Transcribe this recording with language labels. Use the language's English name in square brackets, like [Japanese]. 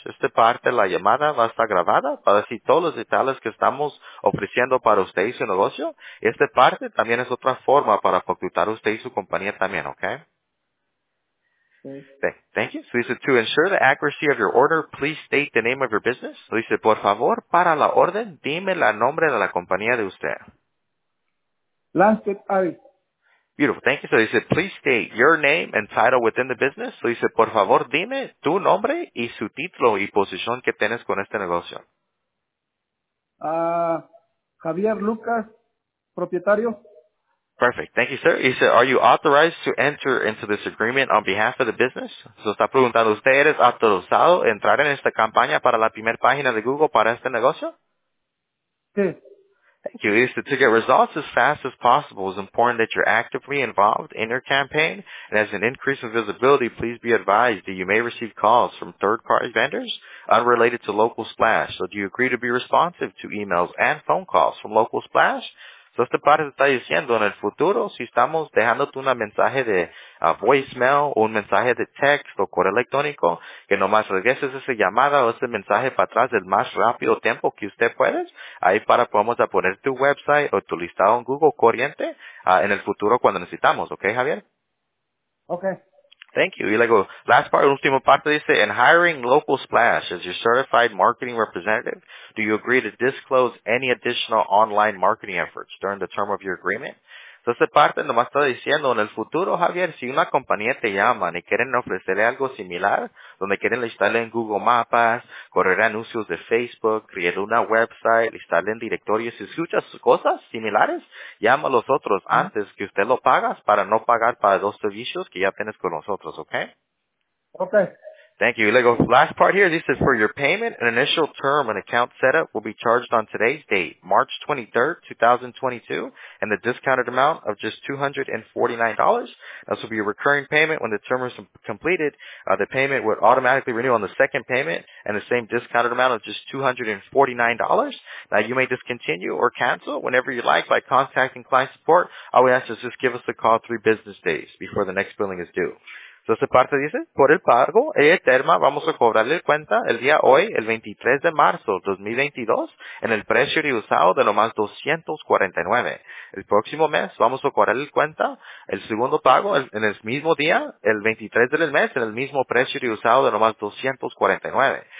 [Spanish] Esta parte de la llamada va a estar grabada para decir todos los detalles que estamos ofreciendo para usted y su negocio. Esta parte también es otra forma para facultar usted y su compañía también, ¿ok? [English] Thank you. So he said, to ensure the accuracy of your order, please state the name of your business. So he said, [Spanish] por favor, para la orden, dime la nombre de la compañía de usted. [English] Landscape Artist. Beautiful. Thank you. So he said, please state your name and title within the business. So he said, [Spanish] por favor, dime tu nombre y su título y posición que tienes con este negocio. Javier Lucas, propietario. [English] Perfect. Thank you, sir. He said, are you authorized to enter into this agreement on behalf of the business? [Spanish] So está preguntando, ¿usted eres autorizado a entrar en esta campaña para la primera página de Google para este negocio? Sí. [English] Thank you. He said, to get results as fast as possible, it's important that you're actively involved in your campaign. And as an increase in visibility, please be advised that you may receive calls from third-party vendors unrelated to Local Splash. So do you agree to be responsive to emails and phone calls from Local Splash? [Spanish] Entonces, este padre está diciendo, en el futuro, si estamos dejándote un mensaje de voicemail, o un mensaje de text o correo electrónico, que nomás regreses esa llamada o ese mensaje para atrás del más rápido tiempo que usted puede, ahí para podemos poner tu website o tu listado en Google corriente en el futuro cuando necesitamos. ¿Ok, Javier? [English] Ok. Thank you. [Spanish] Y luego, [English] last part, [Spanish] último parte dice, [English] in hiring Local Splash as your certified marketing representative, do you agree to disclose any additional online marketing efforts during the term of your agreement? [Spanish] Entonces, parte nomás está diciendo, en el futuro, Javier, si una compañía te llama y quieren ofrecerle algo similar, donde quieren listarle en Google Maps, correr anuncios de Facebook, crear una website, listarle en directorios, si escuchas cosas similares, llama a los otros antes que usted lo pagas para no pagar para dos servicios que ya tienes con nosotros, ¿ok? [English] Ok. Thank you. Lego, last part here, this is for your payment. An initial term and account setup will be charged on today's date, March 23rd, 2022, and the discounted amount of just $249. This will be a recurring payment when the term is completed. The payment would automatically renew on the second payment and the same discounted amount of just $249. Now, you may discontinue or cancel whenever you like by contacting client support. All we ask is just give us a call 3 business days before the next billing is due. [Spanish] Entonces, parte dice, por el pago, Eterma, vamos a cobrarle cuenta el día hoy, el 23 de marzo 2022, en el precio de usado de nomás $249. El próximo mes, vamos a cobrarle cuenta el segundo pago en el mismo día, el 23 del mes, en el mismo precio de usado de nomás $249.